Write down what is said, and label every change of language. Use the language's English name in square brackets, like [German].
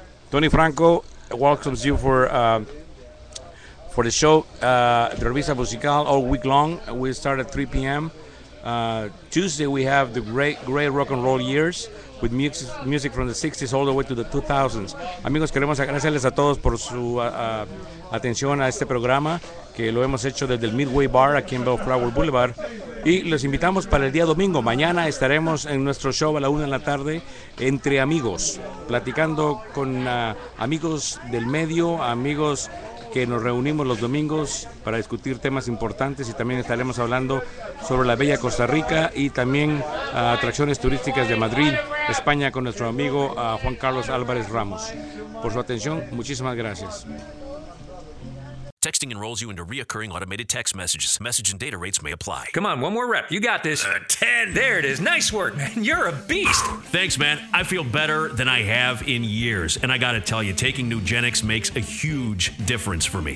[English] Tony Franco welcomes you for the show, the Revista Musical, all week long. We start at 3 p.m. Tuesday we have the great rock and roll years with music from the 60s all the way to the 2000s. [Spanish] Amigos, queremos agradecerles a todos por su atención a este programa que lo hemos hecho desde el Midway Bar aquí en Bellflower Boulevard. Y los invitamos para el día domingo. Mañana estaremos en nuestro show a la 1 p.m, entre amigos, platicando con amigos del medio, amigos que nos reunimos los domingos para discutir temas importantes, y también estaremos hablando sobre la bella Costa Rica y también atracciones turísticas de Madrid, España, con nuestro amigo Juan Carlos Álvarez Ramos. Por su atención, muchísimas gracias. [English] Texting enrolls you into reoccurring automated text messages. Message and data rates may apply. Come on, one more rep. You got this. 10. There it is. Nice work, man. You're a beast. Thanks, man. I feel better than I have in years. And I got to tell you, taking Nugenix makes a huge difference for me.